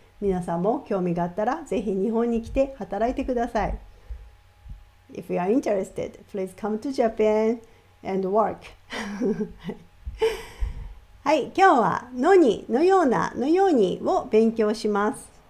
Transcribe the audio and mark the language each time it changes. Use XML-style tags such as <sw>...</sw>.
<ja>皆さんも興味があったらぜひ日本に来て働いてください。</ja> <en>If you are interested, please come to Japan and work.</en> <ja>はい、今日はのに、のようなのようにを勉強します。</ja>